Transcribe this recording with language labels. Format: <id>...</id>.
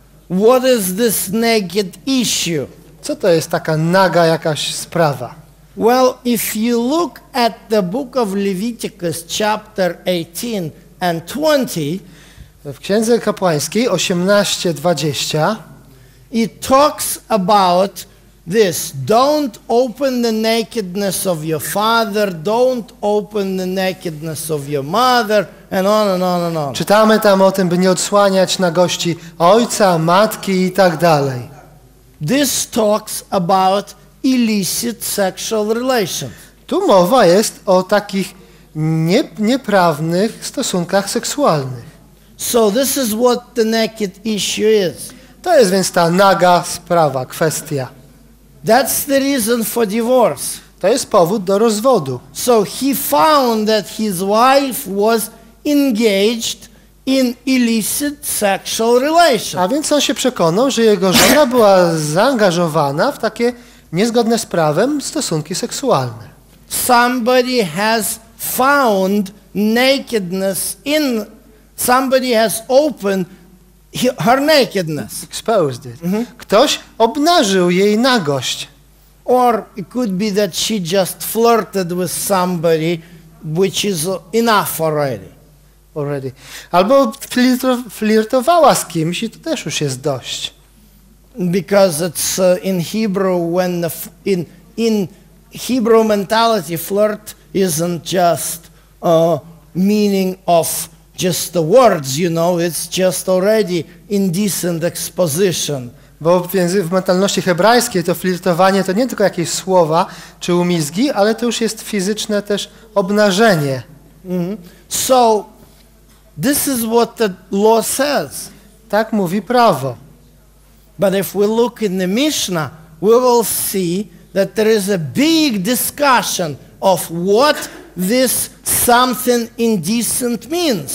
<en>What is this naked issue?</en> <pl>Co to jest taka naga jakaś sprawa?</pl> <en>Well, if you look at the book of Leviticus chapter 18 and 20,</en> <pl>w Księdze Kapłańskiej 18:20,</pl> <en>it talks about this: don't open the nakedness of your father, don't open the nakedness of your mother, and on and on and on.</en> <pl>Czytamy tam o tym, by nie odsłaniać nagości ojca, matki i tak dalej.</pl> <en>This talks about illicit sexual relations.</en> <pl>Tu mowa jest o takich nieprawnych stosunkach seksualnych.</pl> <en>So this is what the naked issue is.</en> <pl>To jest więc ta naga sprawa, kwestia.</pl> <en>That's the reason for divorce.</en> <pl>To jest powód do rozwodu.</pl> <en>So he found that his wife was engaged in illicit sexual relations.</en> <pl>A więc on się przekonał, że jego żona była zaangażowana w takie niezgodne z prawem stosunki seksualne.</pl> <en>Somebody has found nakedness in, somebody has opened her nakedness. Exposed it. Mm-hmm.</en> <pl>Ktoś obnażył jej nagość.</pl> <en>Or it could be that she just flirted with somebody, which is enough already. Already.</en> <pl>Albo flirtowała z kimś i to też już jest dość.</pl> <en>Because it's in Hebrew, when the in Hebrew mentality, flirt isn't just meaning of just the words, you know, it's just already indecent exposition.</en> <pl>Bo w mentalności hebrajskiej to flirtowanie to nie tylko jakieś słowa czy umizgi, ale to już jest fizyczne też obnażenie. Mm-hmm.</pl> <en>So this is what the law says.</en> <pl>Tak mówi prawo.</pl> <en>But if we look in the Mishnah, we will see that there is a big discussion of what this something indecent means.</en>